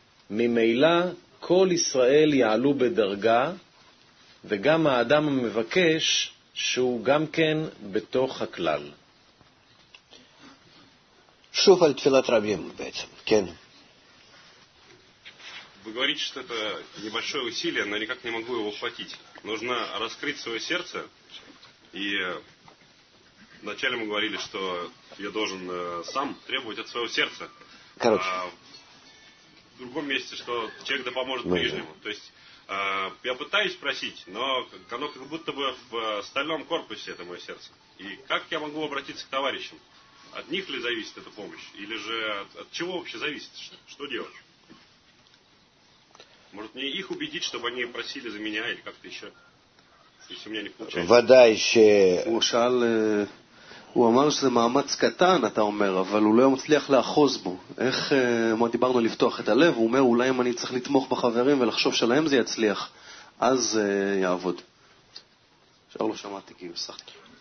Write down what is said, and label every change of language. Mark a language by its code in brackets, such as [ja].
[he] ממילא כל ישראל יעלו בדרגה, וגם האדם המבקש שהוא גם כן בתוך הכלל. שוב על תפילת רבים בעצם, כן. [ru] Вы говорите, что это небольшое усилие, но никак не могу его ухватить. Нужно раскрыть свое сердце. И вначале мы говорили, что я должен сам требовать от своего сердца. Короче. А в другом месте, что человек да поможет ближнему. То есть я пытаюсь просить, но оно как будто бы в стальном корпусе, это мое сердце. И как я могу обратиться к товарищам? От них ли зависит эта помощь? Или же от чего вообще зависит? Что делать? Может мне их убедить, чтобы они просили за меня или как-то еще? [he] ודאי ש... הוא שאל, הוא אמר שזה מאמץ קטן, אתה אומר, אבל הוא לא מצליח לאחוז בו. איך, מה דיברנו לפתוח את הלב, הוא אומר, אולי אם אני צריך לתמוך בחברים ולחשוב שלהם זה יצליח, אז יעבוד. שאל, לא שמעתי, כי הוא שחקי.